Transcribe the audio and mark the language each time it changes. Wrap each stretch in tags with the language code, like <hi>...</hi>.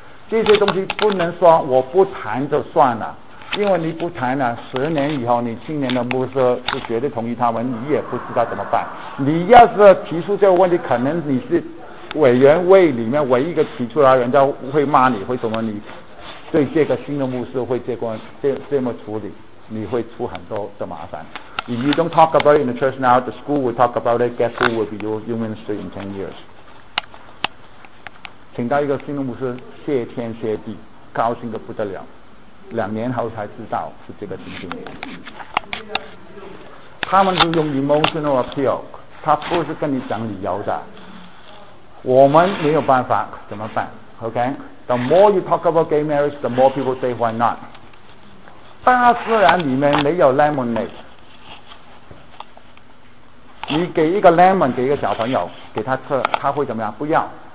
<zh>这些东西不能说我不谈就算了，因为你不谈了，十年以后你青年的牧师是绝对同意他们，你也不知道怎么办。你要是提出这个问题，可能你是委员会里面唯一一个提出来，人家会骂你，会怎么？你对这个新的牧师会这么处理，你会出很多的麻烦。</zh> <en>If you don't talk about it in the church now, the school will talk about it. Guess who will be your ministry in 10 years?</en> <zh>请到一个新的牧师，谢天谢地，高兴得不得了。两年后才知道是这个情形。他们是用 emotional appeal， 他不是跟你讲理由的。我们没有办法，怎么办 ？OK？</zh> <en>The more you talk about gay marriage, the more people say why not？</en> <zh>大自然里面没有 lemonade。你给一个 lemon 给一个小朋友给他吃，他会怎么样？不要。</zh>